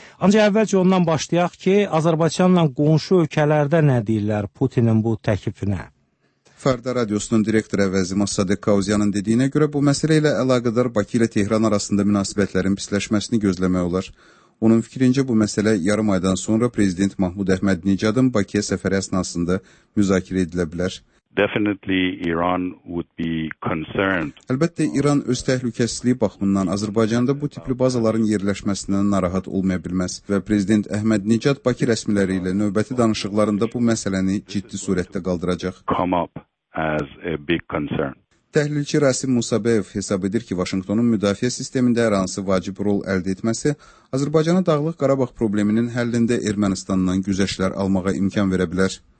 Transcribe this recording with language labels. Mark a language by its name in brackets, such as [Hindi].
[Azerbaijani] Ancaq əvvəlcə ondan başlayaq ki, Azərbaycanla qonşu ölkələrdə nə deyirlər Putinin bu təklifinə? Fərdə Radiosunun direktoru əvəzi Massadek Kauzyanın dediyinə görə bu məsələ ilə əlaqədar Bakı ilə Tehran arasında münasibətlərin pisləşməsini gözləmək olar. Onun fikrincə bu məsələ yarım aydan sonra Prezident Mahmud Əhmədinecadın Bakıya səfəri əsnasında müzakirə edilə bilər. [English] Definitely Iran would be concerned. [Azerbaijani] Əlbəttə İran öz təhlükəsizliyi baxımından Azərbaycanda bu tipli bazaların yerləşməsindən narahat olmaya bilməz və prezident Əhmədinecad Bakı rəsmiləri ilə növbəti danışıqlarında bu məsələni ciddi surətdə qaldıracaq. [English] Come up as a big concern. [Azerbaijani] Təhlilçi Rasim Musabeyev hesab edir ki, Vaşinqtonun müdafiə sistemində hər hansı vacib rol əldə etməsi Azərbaycana Dağlıq Qarabağ probleminin həllində Ermənistandan güzəşlər almağa imkan verə bilər.